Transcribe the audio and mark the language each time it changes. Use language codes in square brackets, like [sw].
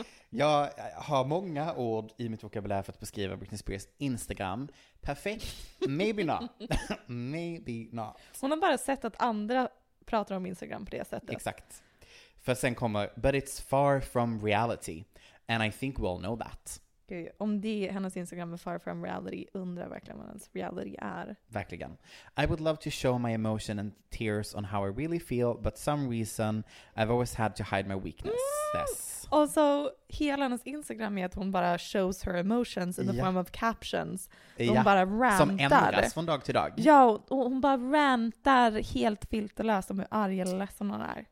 [sv] Jag har många ord i mitt vokabulär för att beskriva Britney Spears Instagram. [en] Perfekt. Maybe not. Maybe not. [sv] Hon har bara sett att andra pratar om Instagram på det sättet. Exakt. För sen kommer [en] "But it's far from reality, and I think we all know that." [sv] Gud, om det är hennes Instagram är [en] far from reality, [sv] undrar verkligen vad hennes reality är. Verkligen. [en] "I would love to show my emotion and tears on how I really feel, but some reason I've always had to hide my weakness." [sv] Och så hela hennes Instagram är att hon bara [en] shows her emotions in the form of captions. [sv] Hon bara rantar. Som ändras från dag till dag. Ja, och hon bara rantar helt filterlöst om hur arg eller ledsen hon är.